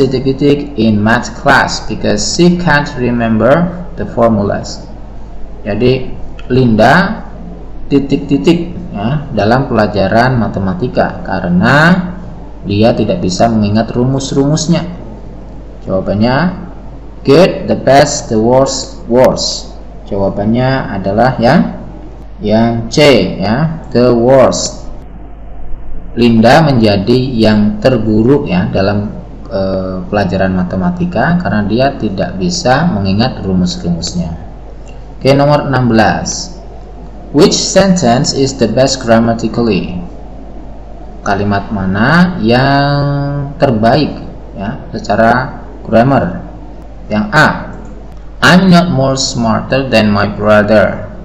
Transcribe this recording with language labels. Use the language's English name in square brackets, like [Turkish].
[English] in math class because she can't remember the formulas. [Indonesian] Jadi Linda ... ya, dalam pelajaran matematika karena dia tidak bisa mengingat rumus-rumusnya. Jawabannya [English] good, the best, the worst, worst. [Indonesian] Jawabannya adalah yang C ya, [English] the worst. [Indonesian] Linda menjadi yang terburuk ya dalam pelajaran matematika karena dia tidak bisa mengingat rumus-rumusnya. Oke, nomor 16. [English] Which sentence is the best grammatically? [Indonesian] Kalimat mana yang terbaik ya secara grammar? Yang A, [English] I'm not more smarter than my brother.